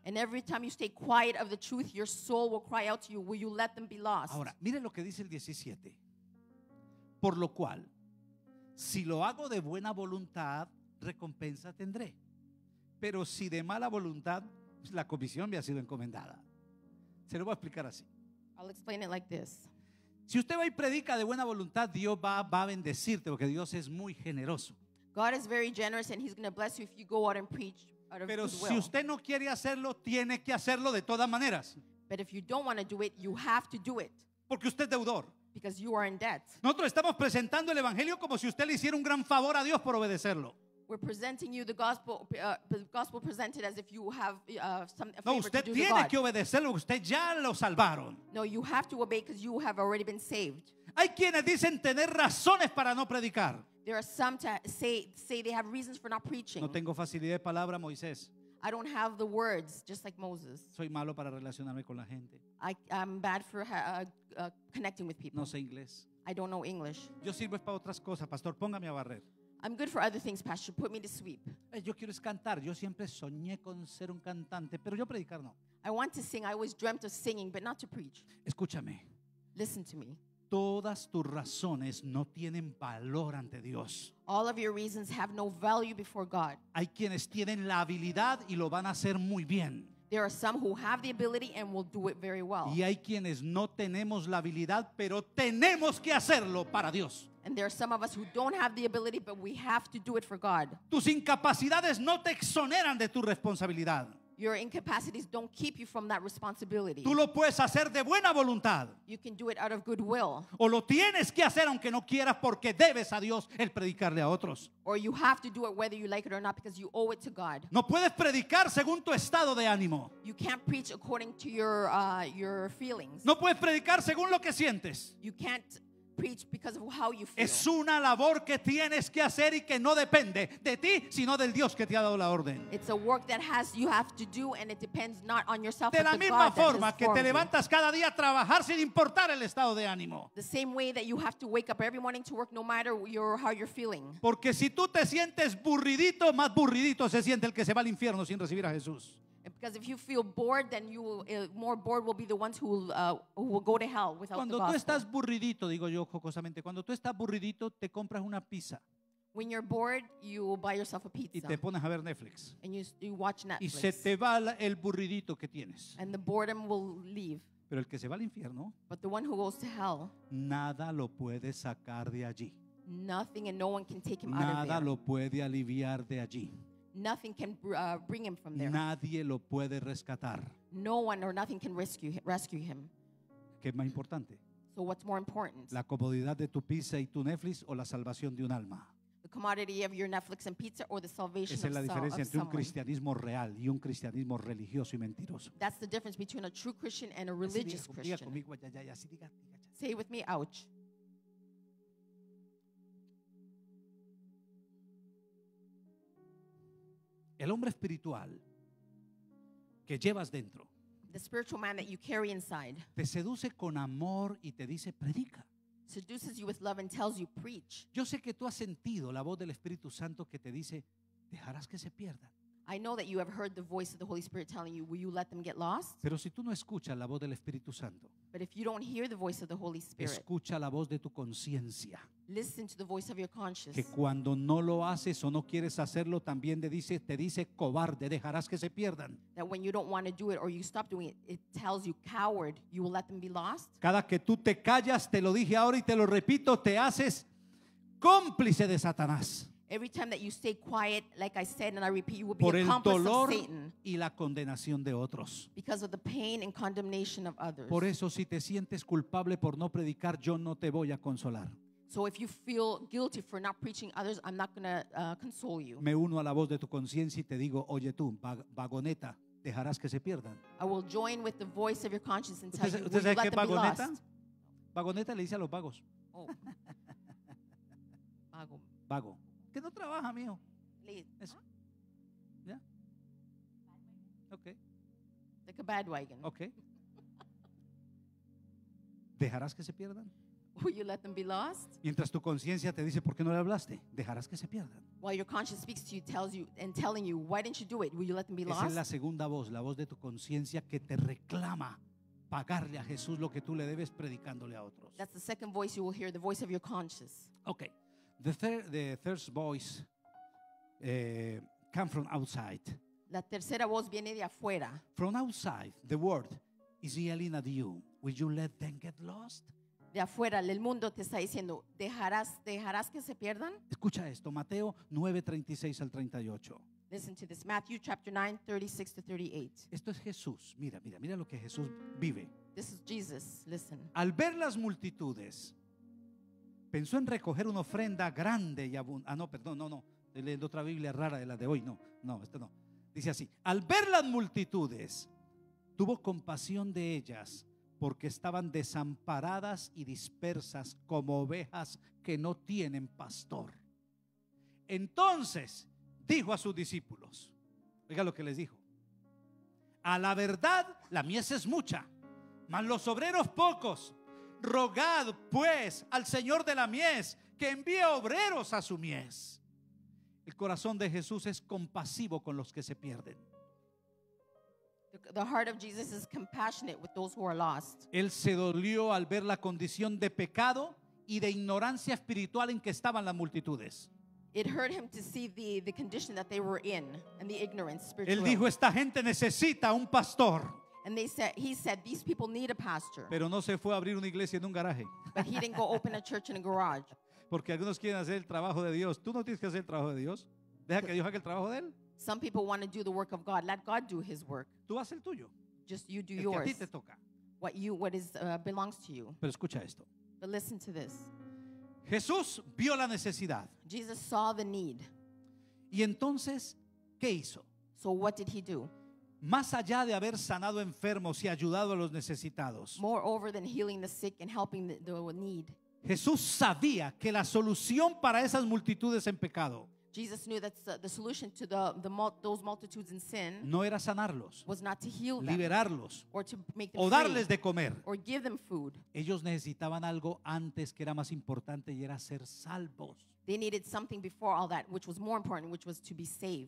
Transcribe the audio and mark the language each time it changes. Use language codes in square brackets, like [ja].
[en] And every time you stay quiet of the truth, your soul will cry out to you, will you let them be lost? [es] Ahora, miren lo que dice el 17. Por lo cual, si lo hago de buena voluntad, recompensa tendré. Pero si de mala voluntad, pues la comisión me ha sido encomendada. Se lo voy a explicar así. [en] I'll explain it like this. [es] Si usted va y predica de buena voluntad, Dios va a bendecirte porque Dios es muy generoso. [en] God is very generous and he's going to bless you if you go out and preach out of his will. [es] Pero si usted no quiere hacerlo, tiene que hacerlo de todas maneras. [en] But if you don't want to do it, you have to do it. [es] Porque usted es deudor. [en] Because you are in debt. [es] Nosotros estamos presentando el evangelio como si usted le hiciera un gran favor a Dios por obedecerlo. [en] We're presenting you the gospel presented as if you have some favor to do God. [es] No, usted tiene que obedecerlo, usted ya lo salvaron. [en] No, you have to obey because you have already been saved. [es] Hay quienes dicen tener razones para no predicar. [en] There are some to say they have reasons for not preaching. [es] No tengo facilidad de palabra, Moisés. [en] I don't have the words, just like Moses. [es] Soy malo para relacionarme con la gente. [en] I'm bad for connecting with people. [es] No sé inglés. [en] I don't know English. [es] Yo sirvo para otras cosas, pastor. Póngame a barrer. [en] I'm good for other things, pastor. Put me to sweep. [es] Yo quiero es cantar. Yo siempre soñé con ser un cantante, pero yo predicar no. [en] I want to sing. I always dreamt of singing, but not to preach. [es] Escúchame. [en] Listen to me. [es] Todas tus razones no tienen valor ante Dios. [en] All of your reasons have no value before God. [es] Hay quienes tienen la habilidad y lo van a hacer muy bien. [en] There are some who have the ability and will do it very well. [es] Y hay quienes no tenemos la habilidad, pero tenemos que hacerlo para Dios. [en] And there are some of us who don't have the ability, but we have to do it for God. [es] Tus incapacidades no te exoneran de tu responsabilidad. [en] Your incapacities don't keep you from that responsibility. [es] Tú lo puedes hacer de buena voluntad. [en] You can do it out of goodwill. [es] O lo tienes que hacer aunque no quieras porque debes a Dios el predicarle a otros. [en] Or you have to do it whether you like it or not because you owe it to God. [es] No puedes predicar según tu estado de ánimo. [en] You can't preach according to your feelings. [es] No puedes predicar según lo que sientes. [en] You can't preach because of how you feel. [es] Es una labor que tienes que hacer y que no depende de ti, sino del Dios que te ha dado la orden. [en] It's a work that you have to do and it depends not on yourself. [es] De la misma forma que te levantas cada día a trabajar sin importar el estado de ánimo. [en] The same way that you have to wake up every morning to work no matter how you're feeling. [es] Porque si tú te sientes burridito, más burridito se siente el que se va al infierno sin recibir a Jesús. [en] Because if you feel bored, then you more bored will be the ones who will go to hell without the [es] gospel. Cuando tú estás burridito, digo yo jocosamente, cuando tú estás burridito, te compras una pizza. [en] When you're bored, you will buy yourself a pizza. [es] Y te pones a ver Netflix. [en] And you watch Netflix. [es] Y se te va el burridito que tienes. [en] And the boredom will leave. [es] Pero el que se va al infierno, [en] but the one who goes to hell, [es] nada lo puede sacar de allí. [en] Nothing and no one can take him [es] nada [en] out of there. [es] Nada lo puede aliviar de allí. [en] Nothing can bring him from there. [es] Nadie lo puede rescatar. [en] No one or nothing can rescue him. [es] ¿Qué es más importante? [en] So what's more important? [es] La comodidad de tu pizza y tu Netflix o la salvación de un alma. [en] The commodity of your Netflix and pizza or the salvation of someone. [es] Esa es la diferencia entre un cristianismo real y un cristianismo religioso y mentiroso. [en] That's the difference between a true Christian and a religious Christian. [es] Diga conmigo, ya, ya, ya, así diga. [en] Say it with me, ouch. [es] El hombre espiritual que llevas dentro, [en] the spiritual man that you carry inside, [es] te seduce con amor y te dice predica. [en] Seduces you with love and tells you preach. [es] Yo sé que tú has sentido la voz del Espíritu Santo que te dice dejarás que se pierdan. [en] I know that you have heard the voice of the Holy Spirit telling you will you let them get lost? [es] Pero si tú no escuchas la voz del Espíritu Santo, [en] but if you don't hear the voice of the Holy Spirit, [es] escucha la voz de tu conciencia. [en] Listen to the voice of your conscience. [es] Que cuando no lo haces o no quieres hacerlo, también te dice cobarde, dejarás que se pierdan. [en] That when you don't want to do it or you stop doing it, it tells you coward, you will let them be lost. [es] Cada que tú te callas, te lo dije ahora y te lo repito, te haces cómplice de Satanás. [en] Every time that you stay quiet, like I said and I repeat, you will be accomplice of Satan. [es] Por el dolor y la condenación de otros. [en] Because of the pain and condemnation of others. [es] Por eso si te sientes culpable por no predicar, yo no te voy a consolar. [en] So if you feel guilty for not preaching others, I'm not going to console you. [es] Me uno a la voz de tu conciencia y te digo, oye tú, vagoneta, dejarás que se pierdan. [en] I will join with the voice of your conscience and tell you, will you let them [es] vagoneta? [en] Be lost? [es] Vagoneta le dice a los vagos. Oh. Vago. Vago. Que no trabaja, mijo. [en] Late. [es] Eso. [en] Huh? Yeah. Okay. Like a bad wagon. Okay. [es] Dejarás que se pierdan. [en] Will you let them be lost? [es] Mientras tu conciencia te dice por qué no le hablaste, dejarás que se pierdan. [en] While your conscience speaks to you, tells you and telling you why didn't you do it? Will you let them be lost? [es] Esa es la segunda voz, la voz de tu conciencia que te reclama pagarle a Jesús lo que tú le debes predicándole a otros. [en] That's the second voice you will hear, the voice of your conscience. Okay. The third voice comes from outside. [es] La tercera voz viene de afuera. [en] From outside, the word is yelling at you. Will you let them get lost? [es] de afuera, del mundo, te está diciendo, dejarás que se pierdan? Escucha esto, Mateo 9, 36 al 38. [en] Listen to this, Matthew chapter 9, 36 to 38. [es] Esto es Jesús, mira lo que Jesús vive. [en] This is Jesus, listen. [es] Al ver las multitudes, pensó en recoger una ofrenda grande y abundante. Ah, no, perdón, no, estoy leyendo otra Biblia rara de la de hoy, no. Dice así, al ver las multitudes, tuvo compasión de ellas, porque estaban desamparadas y dispersas como ovejas que no tienen pastor. Entonces dijo a sus discípulos, oiga lo que les dijo, a la verdad la mies es mucha, mas los obreros pocos. Rogad pues al Señor de la mies que envíe obreros a su mies. El corazón de Jesús es compasivo con los que se pierden. [en] The heart of Jesus is compassionate with those who are lost. [es] Él se dolió al ver la condición de pecado y de ignorancia espiritual en que estaban las multitudes. [en] It hurt him to see the condition that they were in and the ignorance spiritual. [es] Él dijo, esta gente necesita un pastor. [en] And he said these people need a pastor. [es] Pero no se fue a abrir una iglesia en un garaje. [en] But he didn't go open a church in a garage. [es] Porque algunos quieren hacer el trabajo de Dios. Tú no tienes que hacer el trabajo de Dios. Deja que Dios haga el trabajo de él. [en] Some people want to do the work of God. Let God do His work. [es] Tú haz el tuyo. [en] Just you do [es] el [en] yours. [es] Que a ti te toca. [en] What belongs to you. [es] Pero escucha esto. [en] But listen to this. [es] Jesús vio la necesidad. [en] Jesus saw the need. [es] Y entonces, ¿qué hizo? [en] So what did he do? [es] Más allá de haber sanado enfermos y ayudado a los necesitados. [en] Moreover than healing the sick and helping the need. [es] Jesús sabía que la solución para esas multitudes en pecado. [en] Jesus knew that the solution to those multitudes in sin [es] no era sanarlos, [en] was not to heal them, [es] liberarlos, [en] or to make them [es] o darles de comer. [en] Or give them food. [es] Ellos necesitaban algo antes que era más importante y era ser salvos. [en] They needed something before all that, which was more important, which was to be saved.